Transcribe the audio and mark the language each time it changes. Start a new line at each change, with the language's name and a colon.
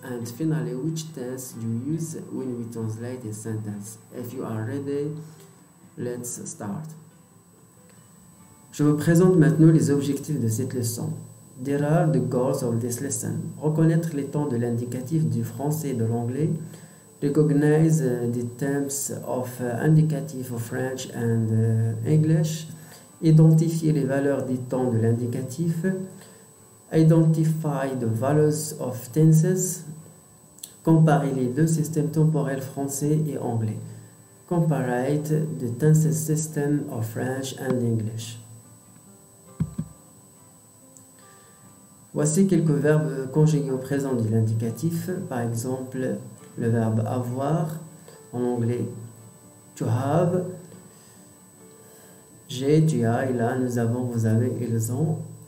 English: And finally, which tense do you use when we translate a sentence. If you are ready, let's start.
French: Je vous présente maintenant les objectifs de cette leçon.
English: There are the goals of this lesson.
French: Reconnaître les temps de l'indicatif du français et de l'anglais.
English: Recognize the temps of indicative of French and English.
French: Identifier les valeurs des temps de l'indicatif.
English: Identify the values of tenses.
French: Comparer les deux systèmes temporels français et anglais.
English: Comparate the tenses system of French and English.
French: Voici quelques verbes conjugués au présent de l'indicatif. Par exemple, le verbe avoir, en anglais to have. J'ai, tu as, il a, nous avons, vous avez, ils ont.